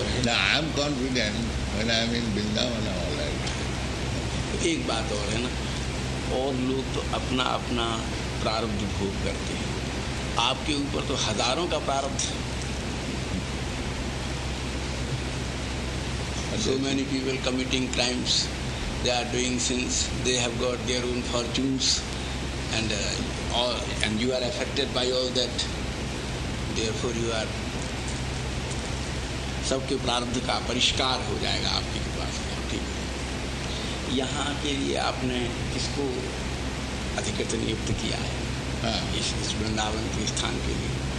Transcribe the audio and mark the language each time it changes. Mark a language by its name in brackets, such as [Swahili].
[English] I'm confident when I'm in Vrindavan all right. [Hindi] एक बात और है ना, और लोग तो अपना अपना प्रारब्ध भोग करते हैं, आपके ऊपर तो हजारों का प्रारब्ध। [English] So many people committing crimes, they are doing sins, they have got their own fortunes, and all, and you are affected by all that. Therefore, you are [Hindi] सबके प्रारब्ध का परिष्कार हो जाएगा आपके पास। ठीक है, यहाँ के लिए आपने किसको अधिकृत नियुक्त किया है? हाँ, इस वृंदावन के स्थान के लिए